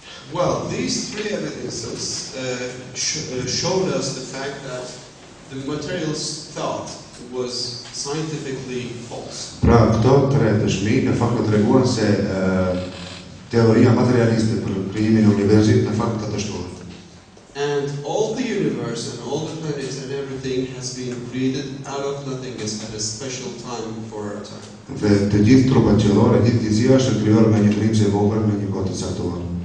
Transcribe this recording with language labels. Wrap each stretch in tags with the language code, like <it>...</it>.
<en>Well, these three evidences showed us the fact that the materials thought was scientifically false.</en> <sq>Pra këto tre dëshmi në fakt më treguan se teoria materialiste për krijimin e universit në fakt ka dështuar.</sq> <en>And all the universe and all the planets and everything has been created out of nothing at a special time for our time.</en> <sq>Dhe të gjithë trupat qelloror, të gjithë gjësia është krijuar me një krijim të vogël në një kohë të caktuar.</sq>